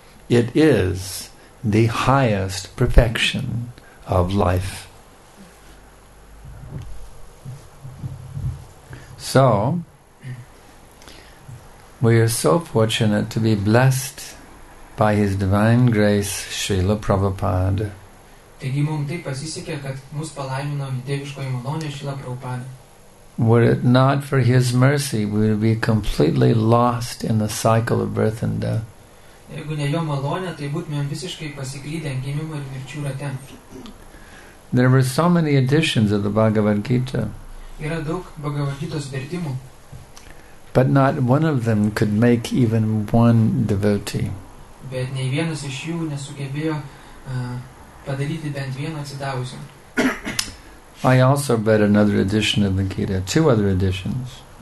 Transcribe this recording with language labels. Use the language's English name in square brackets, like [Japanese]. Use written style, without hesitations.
[English] It is the highest perfection of life. So, we are so fortunate to be blessed by His Divine Grace, Srila Prabhupada. [Lithuanian] Taigi, mum taip pasisekė, kad mus palaimino dieviškoji malonė Srila Prabhupada. [English] Were it not for His mercy, we would be completely lost in the cycle of birth and death. [Lithuanian] Jeigu ne jo malonė, tai būtumėm visiškai pasiklydę gimimo ir mirčių rate. [English] There were so many editions of the Bhagavad Gita. [Lithuanian] Yra daug Bhagavad Gitos vertimų. [English] But not one of them could make even one devotee. [Lithuanian] Bet nei vienas iš jų nesugebėjo padaryti bent vieną atsidavusį. [English] I also read another edition of the Gita, two other editions.